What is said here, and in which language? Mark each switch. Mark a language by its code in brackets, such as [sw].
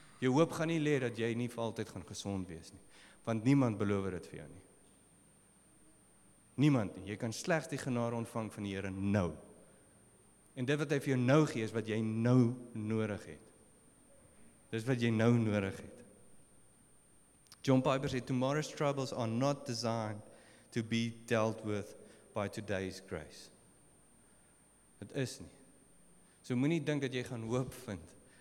[af] Jou hoop gaan nie lê dat jy nie vir altyd gaan gesond wees nie. Want niemand beloof dit vir jou nie. Niemand nie. Jy kan slegs die genade ontvang van die Here nou. En dit wat hy vir jou nou gee is wat jy nou nodig het. Dis wat jy nou nodig het. [en] John Piper sê, tomorrow's troubles are not designed to be dealt with by today's grace. [af] Het is nie. So moet nie dink dat jy gaan hoop vind.